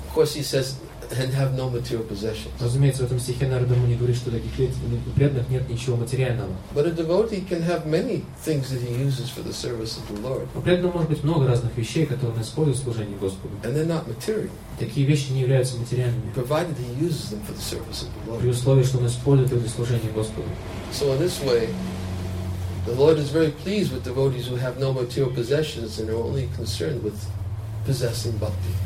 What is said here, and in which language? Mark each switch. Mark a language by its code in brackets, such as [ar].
[en] Of course, he says, and have no material possessions. [ru] Разумеется, в этом стихе Нарада Муни говорит, что таких преданных нет ничего материального. [en] But a devotee can have many things that he uses for the service of the Lord. [ru] У преданного может быть много разных вещей, которые он использует в служении Господу. [en] And they're not material. [ru] Такие вещи не являются материальными. [en] Provided he uses them for the service of the Lord. [ru] При условии, что он использует их для служения Господу. [en] So in this way, the Lord is very pleased with devotees who have no material possessions and are only concerned with possessing bhakti.